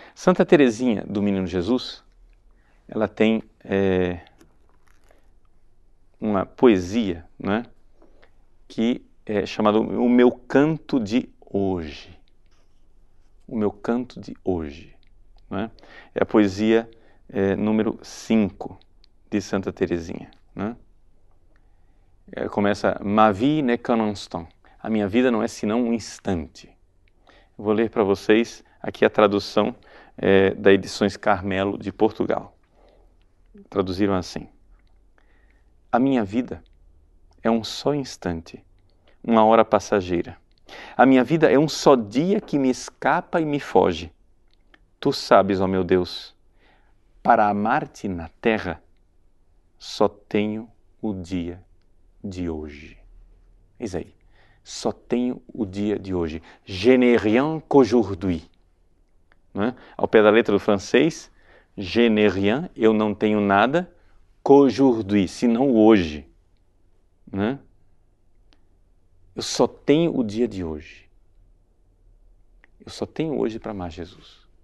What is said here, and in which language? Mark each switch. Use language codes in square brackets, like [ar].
[pt] Santa Teresinha do Menino Jesus, ela tem uma poesia, né? Que é chamada O Meu Canto de Hoje. O Meu Canto de Hoje, né? É a poesia número 5 de Santa Teresinha, né? Começa: [fr] Ma vie n'est qu'un instant. [pt] A minha vida não é senão um instante. Vou ler para vocês aqui a tradução da Edições Carmelo de Portugal. Traduziram assim: A minha vida é um só instante, uma hora passageira. A minha vida é um só dia que me escapa e me foge. Tu sabes, ó meu Deus, para amar-te na terra, só tenho o dia de hoje. Eis aí. Só tenho o dia de hoje. [fr] Je n'ai rien qu'aujourd'hui. [pt] Né? Ao pé da letra do francês, [fr] je n'ai rien, [pt] eu não tenho nada, [fr] qu'aujourd'hui, [pt] senão hoje. Né? Eu só tenho o dia de hoje. Eu só tenho hoje para amar Jesus.